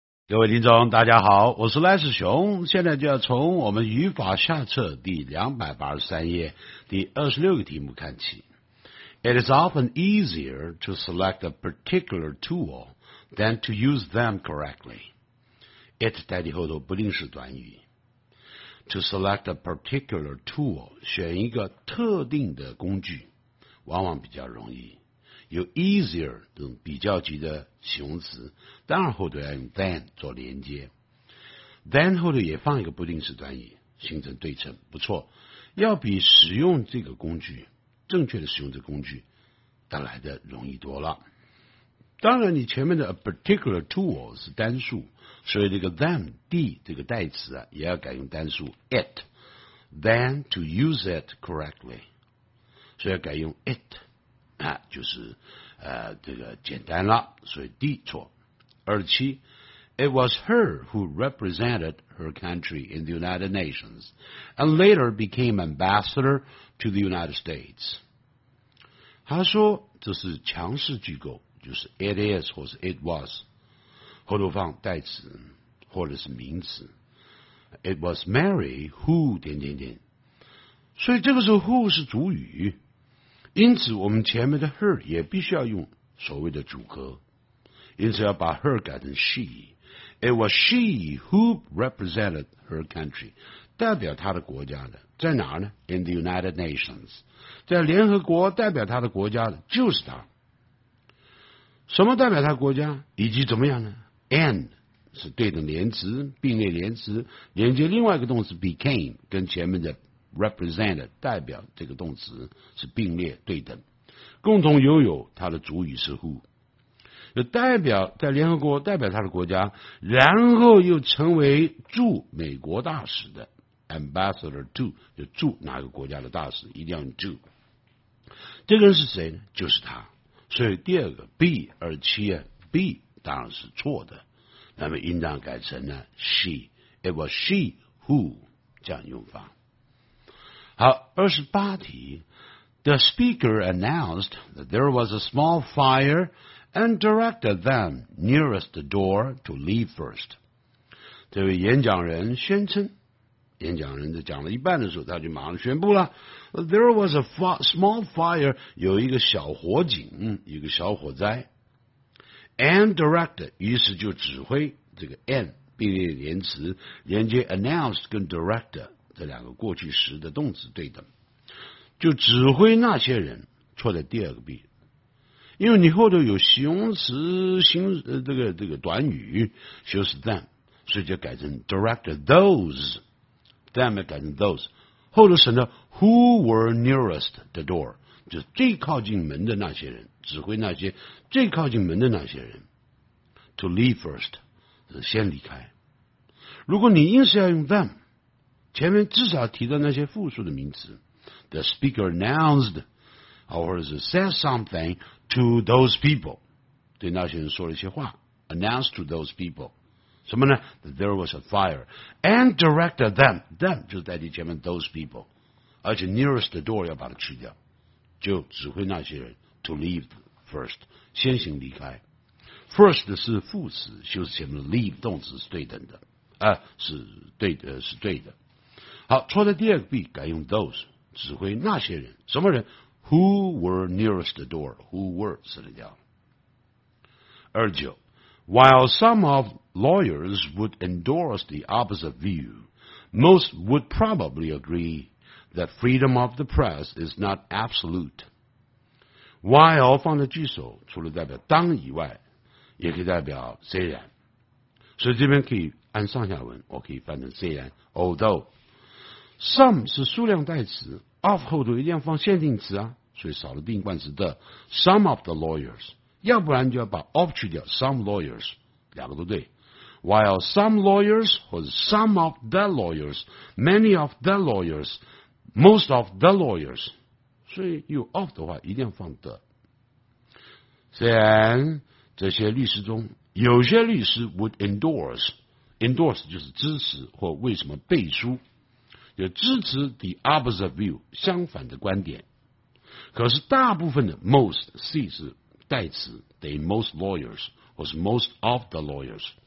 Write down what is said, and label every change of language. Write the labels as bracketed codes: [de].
[zh] 各位听众大家好，我是赖世雄，现在就要从我们语法下册第283页第26个题目看起。 [en] It is often easier to select a particular tool than to use them correctly. [zh] It 代替后头不定式短语。 [en] To select a particular tool, [zh] 选一个特定的工具往往比较容易，有 easier 等比较级的形容词，当然后头要用 than 做连接， than 后头也放一个不定式短语形成对称，不错。要比使用这个工具，正确的使用这个工具，带来的容易多了。当然你前面的 [en] a particular tool [zh] 是单数，所以这个 than the 这个代词啊，也要改用单数 [en] it than to use it correctly， [zh] 所以要改用 it，啊，就是这个简单了，所以 D 错。 [en] 27 It was her who represented her country in the United Nations and later became ambassador to the United States. [zh] 他说这是强势句构，就是 it is 或是 it was， 后头放代词或者是名词。 [en] It was Mary who [zh] 点点点，所以这个时候 who 是主语，因此我们前面的 her 也必须要用所谓的主格，因此要把 her 改成 she。 [en] It was she who represented her country， [zh] 代表她的国家的，在哪呢？ [en] In the United Nations， [zh] 在联合国代表她的国家的就是她。什么代表她国家以及怎么样呢？and 是对等连词，并列连词，连接另外一个动词 became， 跟前面的represented 代表这个动词是并列对等，共同拥有它的主语是 who， 就代表在联合国代表它的国家，然后又成为驻美国大使的 ambassador to， 就驻哪个国家的大使一定要用 to。这个人是谁呢？就是他。所以第二个 B 二七 B 当然是错的，那么应当改成呢 she， [en] it was she who， [zh] 这样用法。好，28题。 [en] The speaker announced that there was a small fire and directed them nearest the door to leave first. [zh] 这位演讲人宣称，演讲人在讲了一半的时候，他就马上宣布了 [en] There was a small fire， [zh] 有一个小火警，一个小火灾。 And directed， 于是就指挥这个 and 并列连词，连接 announced 跟 directed这两个过去时的动词对等，就指挥那些人，错在第二个 B， 因为你后头有形容词形这个短语修饰 them， 所以就改成 direct those， them 也改成 those， 后头省了 [en] who were nearest the door， [zh] 就是最靠近门的那些人，指挥那些最靠近门的那些人 [en] to leave first， [zh] 先离开。如果你硬是要用 them，前面至少提到那些复数的名词 [en] The speaker announced or said something to those people， [zh] 对那些人说了一些话， [en] announced to those people [zh] 什么呢？ [en] That there was a fire and directed them， [zh] them 就代替前面 those people， 而且 [en] nearest the door [zh] 要把它去掉，就指挥那些人 [en] to leave first， [zh] 先行离开。 first 是副词，就是前面 leave 动词是对等的，是对的。好，错在第二个 B， 改用 those， 指挥那些人，什么人？ [en] Who were nearest the door？ Who were [zh] 死了掉。 [en] 29 While some of lawyers would endorse the opposite view， most would probably agree that freedom of the press is not absolute。 [zh] While 放在句首，除了代表当以外，也可以代表虽然，所以这边可以按上下文，我可以翻成虽然 although。 Some 是数量代词， of 后头一定要放限定词啊，所以少了定冠词的 [en] some of the lawyers， [zh] 要不然就要把 of 去掉， [en] some lawyers， [zh] 两个都对。 [en] While some lawyers [zh] 或者 [en] some of the lawyers， many of the lawyers， most of the lawyers， [zh] 所以有 of 的话一定要放的。虽然这些律师中有些律师 [en] would endorse [zh] 就是支持或为什么背书，就支持 [en] the opposite view， [zh] 相反的观点，可是大部分的 most C 是代词，等于 [en] most lawyers [zh] 或是 [en] most of the lawyers，